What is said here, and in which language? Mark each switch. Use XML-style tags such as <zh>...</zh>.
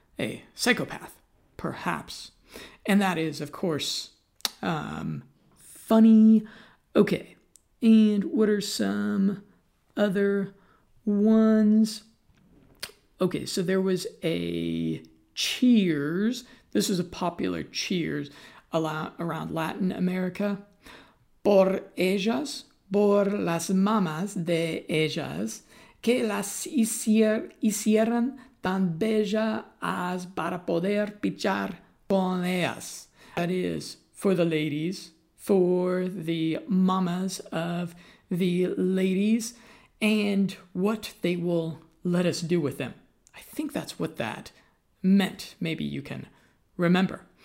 <en>A psychopath, perhaps. And that is, of course, funny. Okay, and what are some other ones? Okay, so there was a cheers. This was a popular cheers around Latin America.</en> <es>Por ellas, por las mamás de ellas, que las hicieran tan bella as para poder pichar con ellas.</es> <en>That is, for the ladies, for the mamas of the ladies, and what they will let us do with them. I think that's what that meant. Maybe you can remember.</en>